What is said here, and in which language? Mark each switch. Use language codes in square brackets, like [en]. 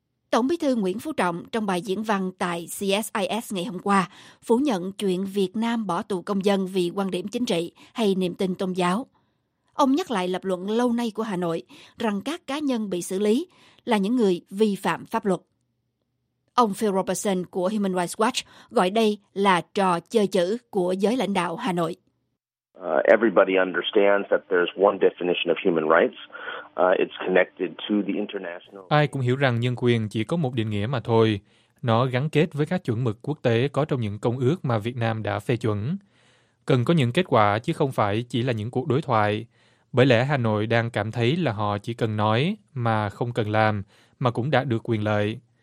[vi] Tổng bí thư Nguyễn Phú Trọng trong bài diễn văn tại CSIS ngày hôm qua phủ nhận chuyện Việt Nam bỏ tù công dân vì quan điểm chính trị hay niềm tin tôn giáo. Ông nhắc lại lập luận lâu nay của Hà Nội rằng các cá nhân bị xử lý là những người vi phạm pháp luật. Ông Phil Robertson của Human Rights Watch gọi đây là trò chơi chữ của giới lãnh đạo Hà Nội. [en] Everybody understands that there's one definition of human rights. It's connected to the international. [vi] Ai cũng hiểu rằng nhân quyền chỉ có một định nghĩa mà thôi. Nó gắn kết với các chuẩn mực quốc tế có trong những công ước mà Việt Nam đã phê chuẩn. Cần có những kết quả chứ không phải chỉ là những cuộc đối thoại. Bởi lẽ Hà Nội đang cảm thấy là họ chỉ cần nói mà không cần làm mà cũng đạt được quyền lợi.